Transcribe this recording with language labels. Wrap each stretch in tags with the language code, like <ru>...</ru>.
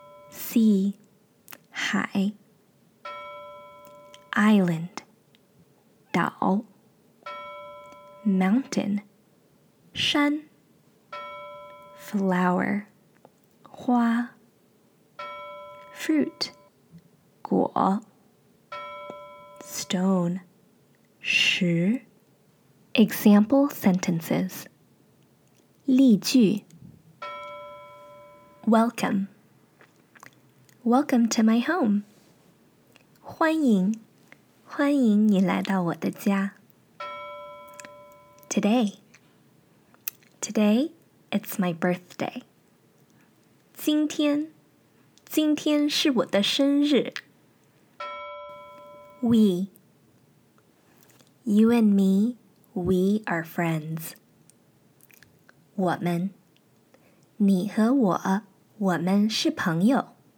<en>Sea 海Island, 岛 Mountain, 山 Flower, 花 Fruit, 果 Stone, 石 Example sentences 例句 Welcome, welcome to my home.</en> <zh>欢迎欢迎你来到我的家。</zh> <en>Today, it's my birthday.</en> <zh>今天是我的生日。</zh> <en>We, you and me, we are friends.</en> <zh>我们，你和我，我们是朋友。</zh>